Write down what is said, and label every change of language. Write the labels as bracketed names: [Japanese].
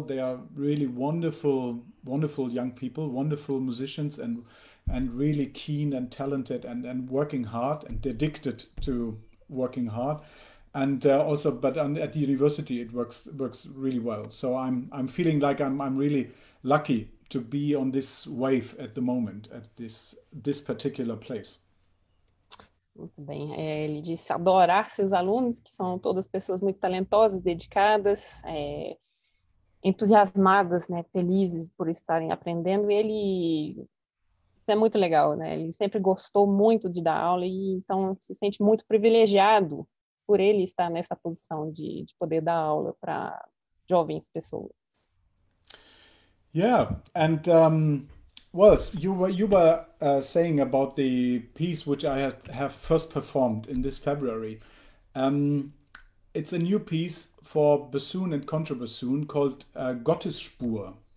[English] They are really wonderful, wonderful young people, wonderful musicians, and really keen and talented and working hard and addicted to working hard. And at the university it works really well. So I'm feeling like I'm really lucky to be on this wave at the moment, at this particular place. [Portuguese] Muito bem. Ele disse adorar seus alunos, que são todas pessoas muito talentosas, dedicadas, entusiasmadas, né, felizes por estarem aprendendo. E ele, isso é muito legal, né? Ele sempre gostou muito de dar aula e então se sente muito privilegiado por ele estar nessa posição de poder dar aula para jovens pessoas. [English] Yeah, and you were saying about the piece which I have first performed in this February. It's a new piece for bassoon and contrabassoon called Gottesspur,